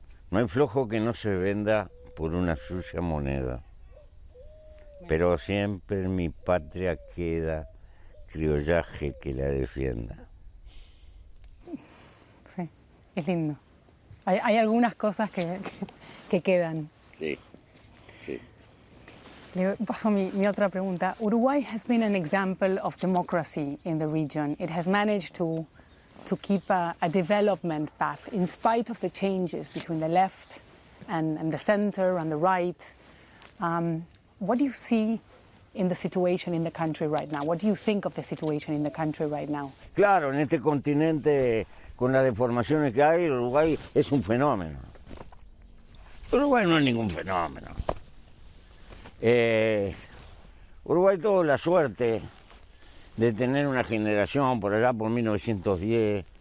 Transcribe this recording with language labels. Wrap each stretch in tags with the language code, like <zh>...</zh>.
<es>No hay flojo que no se venda por una sucia moneda, pero siempre en mi patria queda criollaje que la defienda. Es lindo. Hay algunas cosas que quedan. Sí. Le paso mi otra pregunta.</es> <en>Uruguay has been an example of democracy in the region. It has managed to keep a development path in spite of the changes between the left and the center and the right. What do you see in the situation in the country right now? What do you think of the situation in the country right now?</en> <es>Claro, en este continente, con las deformaciones que hay, Uruguay es un fenómeno. Uruguay no es ningún fenómeno. Uruguay tuvo la suerte de tener una generación por allá, por 1910.</es>